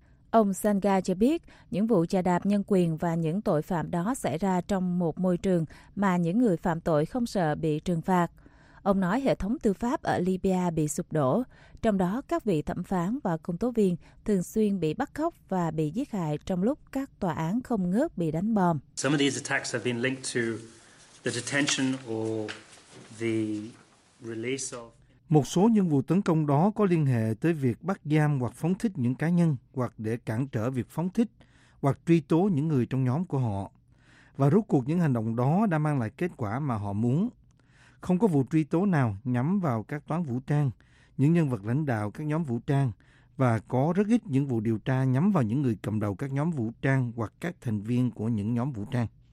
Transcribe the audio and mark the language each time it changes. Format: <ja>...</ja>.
<vi>Ông Sangha cho biết, những vụ chà đạp nhân quyền và những tội phạm đó xảy ra trong một môi trường mà những người phạm tội không sợ bị trừng phạt. Ông nói hệ thống tư pháp ở Libya bị sụp đổ, trong đó các vị thẩm phán và công tố viên thường xuyên bị bắt cóc và bị giết hại trong lúc các tòa án không ngớt bị đánh bom.</vi> <en>Some of these attacks have been linked to the detention or the release of.</en> <vi>Một số những vụ tấn công đó có liên hệ tới việc bắt giam hoặc phóng thích những cá nhân, hoặc để cản trở việc phóng thích, hoặc truy tố những người trong nhóm của họ. Và rốt cuộc những hành động đó đã mang lại kết quả mà họ muốn. Không có vụ truy tố nào nhắm vào các toán vũ trang, những nhân vật lãnh đạo các nhóm vũ trang, và có rất ít những vụ điều tra nhắm vào những người cầm đầu các nhóm vũ trang hoặc các thành viên của những nhóm vũ trang.</vi>